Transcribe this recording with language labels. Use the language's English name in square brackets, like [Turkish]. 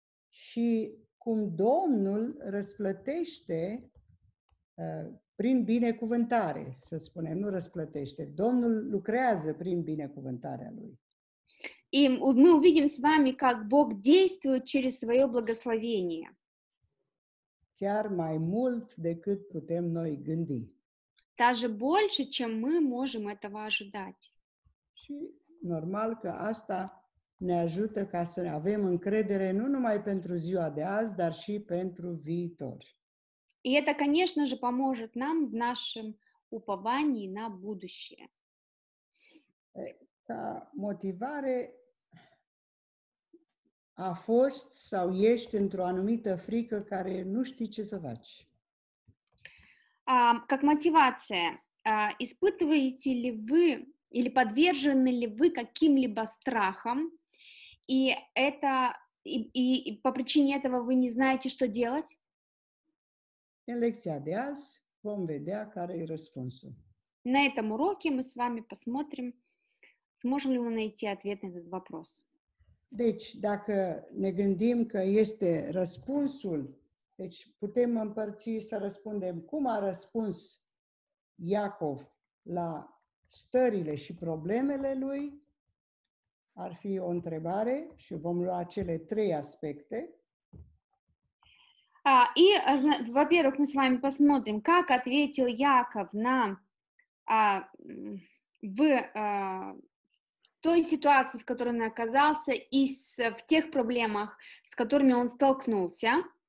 [Romanian] Și cum Domnul răsplătește prin binecuvântare, să spunem, nu răsplătește. Domnul lucrează prin binecuvântarea Lui. [Russian] И мы увидим с вами, как Бог действует через свое благословение. [Romanian] Chiar mai mult decât putem noi gândi. [Russian] Даже больше, чем мы можем этого ожидать. [Romanian] Și normal că asta ne ajută ca să avem încredere nu numai pentru ziua de azi, dar și pentru viitor. [Russian] И это, конечно же, поможет нам в нашем уповании на будущее. [Romanian] Ca motivare a fost sau ești într-o anumită frică care nu știi ce să faci. [Russian] Как мотивация, испытываете ли вы или подвержены ли вы каким-либо страхам, и это и по причине этого вы не знаете, что делать? [Romanian] În lecția de azi vom vedea care e răspunsul. [Russian] На этом уроке мы с вами посмотрим, сможем ли мы найти ответ на этот вопрос. [Romanian] Deci, dacă ne gândim că este răspunsul, deci putem împărți să răspundem cum a răspuns Iacov la stările și problemele lui, ar fi o întrebare și vom lua cele trei aspecte. [Russian] И, во-первых, мы с вами посмотрим, как ответил Яков на той ситуации, в которой он оказался, и в тех проблемах, с которыми он столкнулся.